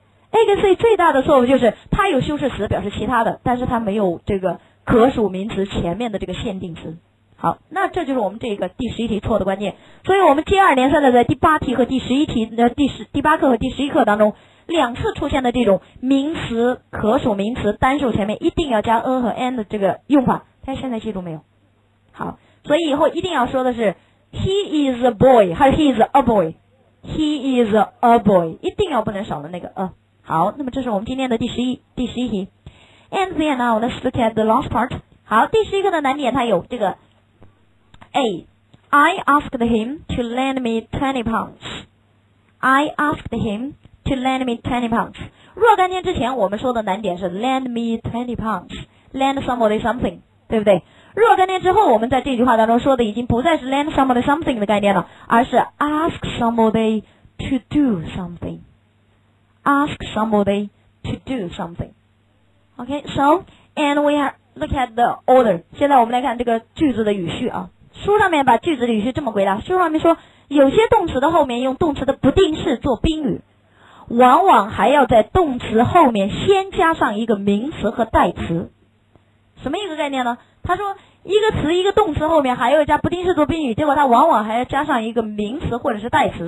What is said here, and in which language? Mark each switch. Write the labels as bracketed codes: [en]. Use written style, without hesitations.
[zh] A 跟 C 最大的错误就是它有修饰词表示其他的，但是它没有这个可数名词前面的这个限定词。好，那这就是我们这个第十一题错的关键。所以我们接二连三的在第八题和第十一题第八课和第十一课当中两次出现的这种名词可数名词单数前面一定要加 a 和 and 的这个用法，大家现在记住没有？好，所以以后一定要说的是 he is a boy 还是 he is a boy， he is a boy 一定要不能少了那个 a。好，那么这是我们今天的第十一题。 [en] And then now let's look at the last part。 [zh] 好，第十一个的难点它有这个 A I asked him to lend me 20 pounds I asked him to lend me 20 pounds 若干天之前我们说的难点是 lend me 20 pounds lend somebody something 对不对？若干天之后我们在这句话当中说的已经不再是 lend somebody something 的概念了，而是 ask somebody to do somethingAsk somebody to do something. [en] Okay, so, and we have look at the order. [zh] 现在我们来看这个句子的语序啊。书上面把句子的语序这么归纳，书上面说，有些动词的后面用动词的不定式做宾语，往往还要在动词后面先加上一个名词和代词。什么一个概念呢？他说，一个词一个动词后面还要加不定式做宾语，结果它往往还要加上一个名词或者是代词。